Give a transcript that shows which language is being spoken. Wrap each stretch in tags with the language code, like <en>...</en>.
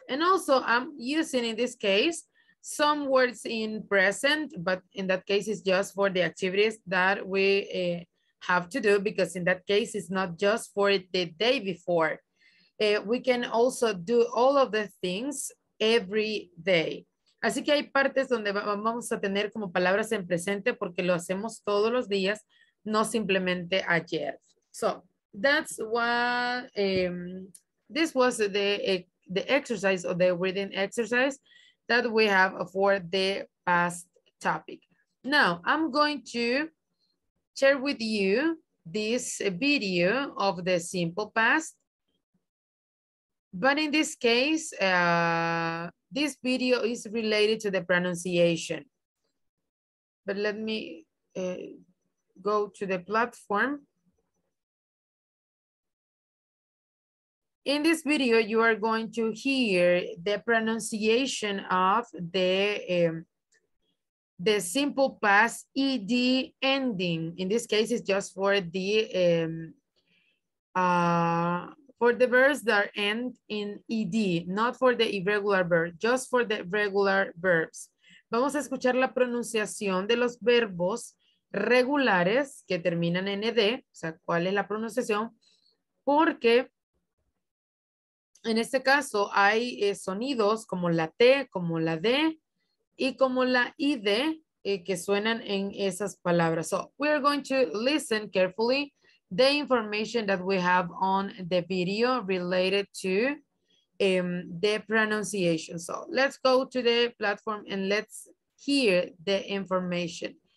<en>And also, I'm using in this case some words in present, but in that case it's just for the activities that we have to do, because in that case it's not just for the day before. We can also do all of the things every day.</en> <es>Así que hay partes donde vamos a tener como palabras en presente porque lo hacemos todos los días, no simplemente ayer.</es> <en>So that's what this was the exercise or the reading exercise that we have for the past topic. Now, I'm going to share with you this video of the simple past. But in this case, this video is related to the pronunciation. But let me go to the platform. In this video, you are going to hear the pronunciation of the simple past ED ending. In this case, it's just for the verbs that end in ED, not for the irregular verb, just for the regular verbs.</en> <es>Vamos a escuchar la pronunciación de los verbos regulares que terminan en ED, o sea, cuál es la pronunciación, porque en este caso hay sonidos como la T, como la D y como la ID que suenan en esas palabras.</es> <en>So we are going to listen carefully the information that we have on the video related to the pronunciation. So let's go to the platform and let's hear the information.</en>